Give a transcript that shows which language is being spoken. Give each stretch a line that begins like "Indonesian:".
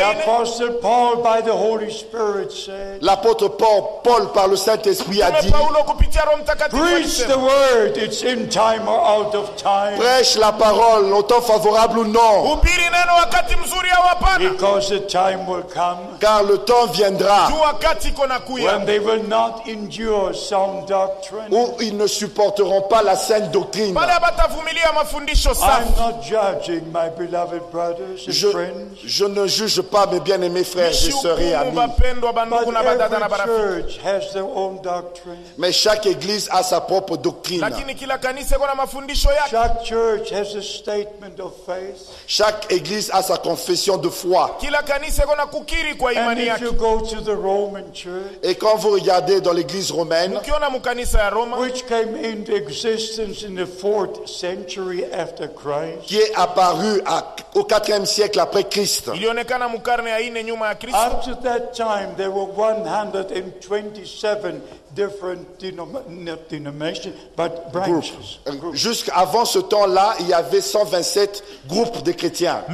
English: The apostle Paul by the Holy Spirit said.
French: L'apôtre Paul par le Saint-Esprit a dit.
English: Preach the word, it's in time or out of time.
French: Prêche la parole, en temps favorable ou non.
English: Because the time will come.
French: Car le temps viendra.
English: When they will not endure sound doctrine.
French: Où ils ne supporteront pas la saine doctrine.
English: I'm not judging my beloved brothers and friends.
French: Je ne juge pas mes bien-aimés frères et sœurs et amis.
English: But every church has their own doctrine.
French: Mais chaque église a sa propre doctrine. Chaque
English: church has a statement of faith.
French: Chaque église a sa confession de foi.
English: And if you go to the Roman church,
French: et quand vous regardez dans l'église romaine,
English: which came into existence in the 4th century after Christ,
French: qui est apparu au 4e siècle après Christ,
English: up to that time there were 127 different denominations, but branches.
French: Jusqu'avant ce temps-là, il y avait 127 groupes de chrétiens.